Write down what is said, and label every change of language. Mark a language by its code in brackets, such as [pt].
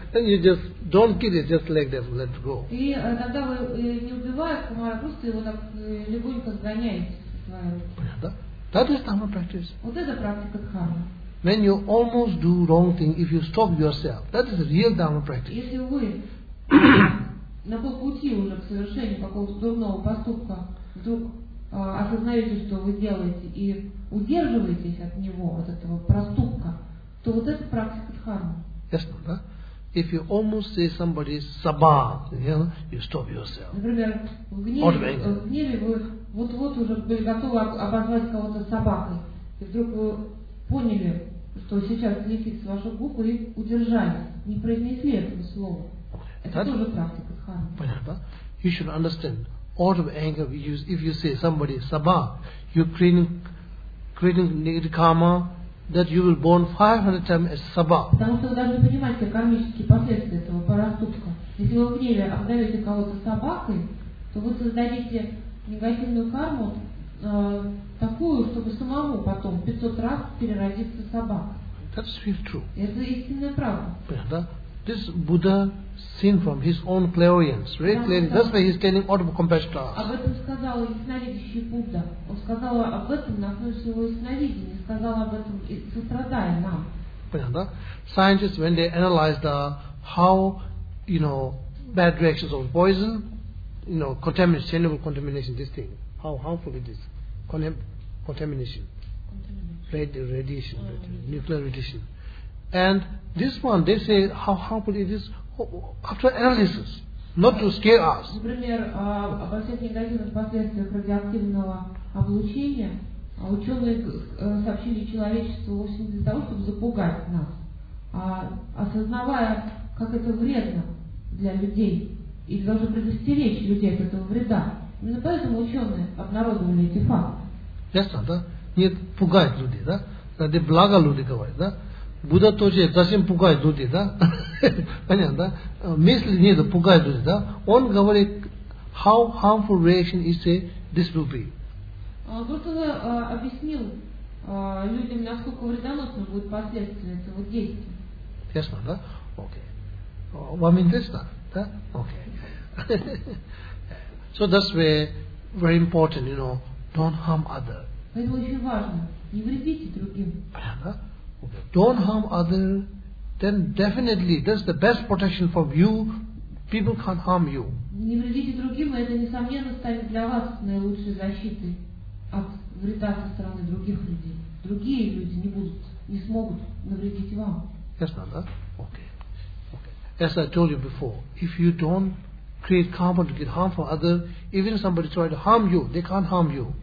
[en] And you just don't kill it, just like that, let go. [ru] И тогда вы не убивая комара, просто его так легонько сгоняете. Понятно? [en] That is dharma practice. [ru] Вот это практика дхармы. [en] When you almost do wrong thing, if you stop yourself, that is real dharma practice. [ru] Если вы на полпути уже к совершению какого-то дурного поступка, вдруг осознаете, что вы делаете, и удерживаетесь от него, от этого проступка, то вот это практика дхармы. Ясно, да? [en] If you almost say somebody saba, you stop yourself. [ru] Например, в гневе вы вот-вот уже были готовы обозвать кого-то собакой, и вдруг вы поняли, что сейчас летит с вашего буха, и удержались, не произнесли этого слова. Это тоже практика дхармы. Понятно? [en] You should understand. Out of anger, if you say somebody sabha, you're creating negative karma, that you will born 500 times as Saba. [ru] Потому что вы должны понимать, какие кармические последствия этого поступка. Если вы в гневе обдаете кого-то собакой, то вы создадите негативную карму такую, чтобы самому потом 500 раз переродиться собакой. [en] That's really true. [ru] Это истинная правда. Да. [en] This Buddha seen from his own clairvoyance, very clearly. That's why he's telling all the compassion to us. [ru] Об этом сказал ясновидящий Будда. Он сказал об этом на основе своего ясновидения, сказал об этом и сострадая нам. Понятно? [en] Scientists, when they analyze the how, you know, bad reactions of poison, you know, contamination, sustainable contamination, this thing, how harmful it is, contamination, nuclear radiation, and this one, they say how harmful it is after analysis, not to scare us. [ru] Например, об всех негативных последствиях радиоактивного облучения ученые сообщили человечеству вовсе не для того, чтобы запугать нас, а осознавая, как это вредно для людей и должны предостеречь людей от этого вреда. Именно поэтому ученые обнародовали эти факты. Ясно, да? Не пугает людей, да? Это благо люди говорят, да? Будда тоже совсем пугает люди, да? Понятно, да? Мысли нет, пугает люди, да? Он говорит, [en] how harmful reaction is a this will be. [ru] Будда объяснил людям, насколько вредоносно будет последствия этого действия. Ясно, да? Окей. Вам интересно? Да? Окей. [en] So that's where very important, you know, don't harm other. [ru] Поэтому очень важно, не вредите другим. Понятно? Okay. [en] Don't harm other, then definitely that's the best protection for you. People can't harm you. [ru] Не вредите другим, это несомненно станет для вас наилучшей защитой от вреда со стороны других людей. Другие люди не будут, не смогут навредить вам. Ясно, да? Okay. [en] As I told you before, if you don't create karma to get harm for others, even if somebody try to harm you, they can't harm you.